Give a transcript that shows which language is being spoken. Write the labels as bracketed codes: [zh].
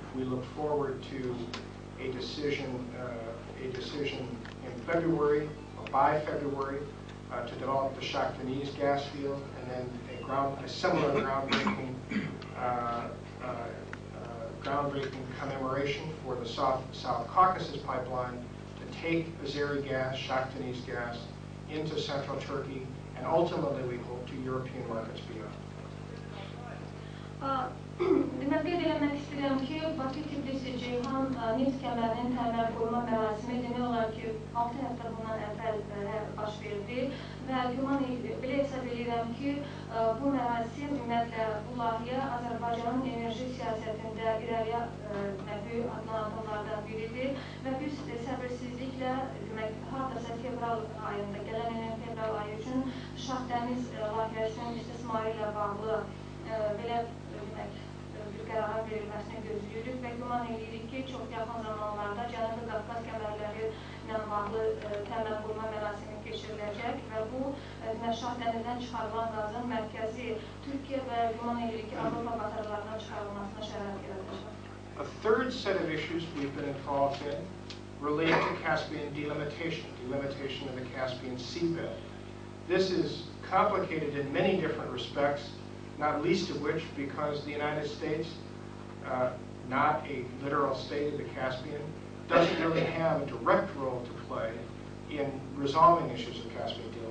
[en] We look forward to a decision in February, or by February, to develop the Shahtanese gas field, and then a similar groundbreaking commemoration for the South Caucasus pipeline to take Azeri gas, Shahtanese gas, into central Turkey, and ultimately, we hope, to European markets beyond. [az] Demək qeyd eləmək istəyirəm ki, Bakı-Tbilisi Ceyhan neft kəmərinin təməl qoyma mərasimi demək olar ki, 6 həftə bundan əvvəl baş verdi və güman belə hesab edirəm ki, bu mərasim, ümumiyyətlə bu layihə Azərbaycanın enerji siyasətində irəliyə böyük adımlardan biridir və biz səbirsizliklə, demək, haradasa fevral ayında, gələn ilə fevral ayı üçün Şahdəniz layihəsinin istismarı ilə bağlı belə bir qərara verilməsini gözləyirik və güman edirik ki, çox yaxın zamanlarda Cənubi Qafqaz kəmərləri ilə bağlı təməl qoyma mərasimi keçiriləcək və bu Şahdənizdən çıxarılan qazın mərkəzi Türkiyə və güman edirik ki, Avropa bazarlarından çıxarılmasına şərait yaradacaq. [en] A third set of issues we've been involved in relate to Caspian delimitation of the Caspian seabed. This is complicated in many different respects, not least of which because the United States, not a literal state of the Caspian, doesn't really have a direct role to play in resolving issues of Caspian delimitation.